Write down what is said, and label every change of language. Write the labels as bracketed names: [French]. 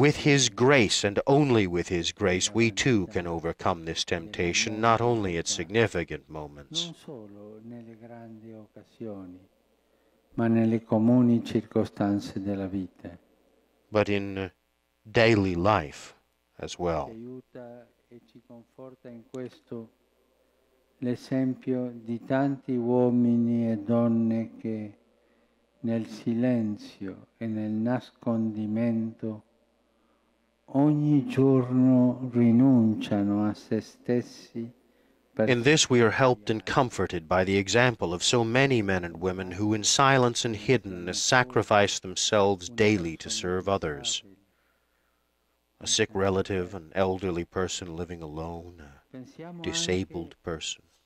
[English] With his grace, and only with his grace, we too can overcome this temptation, not only at significant moments, [Italian] non solo nelle grandi occasioni, ma nelle comuni circostanze della vita, [English] but in daily life as well. [Italian] Ci aiuta e ci conforta in questo l'esempio di tanti uomini e donne che nel silenzio e nel nascondimento ogni giorno rinunciano a se stessi. [English] In this we are helped and comforted by the example of so many men and women who in silence and hiddenness sacrifice themselves daily to serve others. A sick relative, an elderly person living alone, a disabled person.